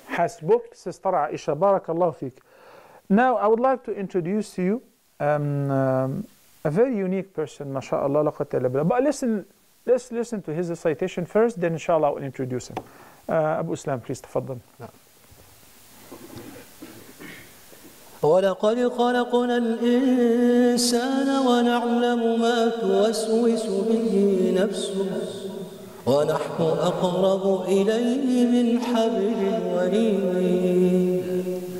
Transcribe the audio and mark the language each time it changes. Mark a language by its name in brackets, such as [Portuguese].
[Arabic] حسبك سيستر عائشة, بارك الله فيك. [English] Now I would like to introduce to you a very unique person, mashallah, [Arabic] لقد تلبلا. [English] But let's listen to his recitation first, then inshallah I will introduce him. Abu Islam, please, تفضل. [Arabic] ولقد خلقنا الإنسان ونعلم ما توسوس به نفسه ونحن أقرب إليه من حبل الوريد